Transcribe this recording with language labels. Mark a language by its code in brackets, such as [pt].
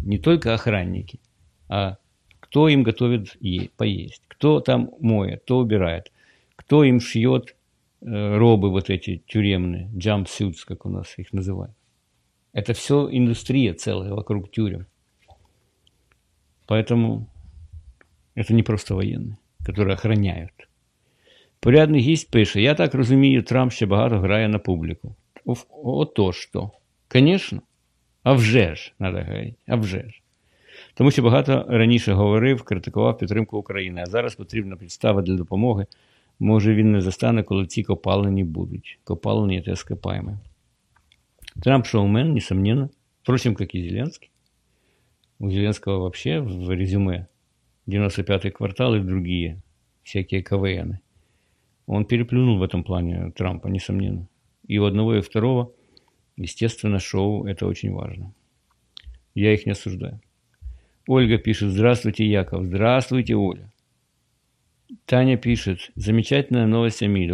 [ru] Не только охранники, а кто им готовит поесть, кто там моет, кто убирает, кто им шьет робы вот эти тюремные, jumpsuits, как у нас их называют. Это все индустрия целая вокруг тюрем. Поэтому это не просто военные, которые охраняют. [uk] Порядний гість пише, я так розумію, Трамп ще багато грає на публіку. Ото що. Звісно. А вже ж, треба говорити, а вже ж. Тому що багато раніше говорив, критикував підтримку України, а зараз потрібна підстава для допомоги. Може, він не застане, коли ці копалені будуть. Копалені – це скопаємо. [ru] Трамп шоумен, несомненно. Впрочем, [uk] як і Зеленський. У Зеленського взагалі в резюме 95-й квартал і другі всякі КВНи. [ru] Он переплюнул в этом плане Трампа, несомненно. И у одного, и у второго, естественно, шоу – это очень важно. Я их не осуждаю. Ольга пишет, здравствуйте, Яков. Здравствуйте, Оля. Таня пишет, замечательная новость о мире.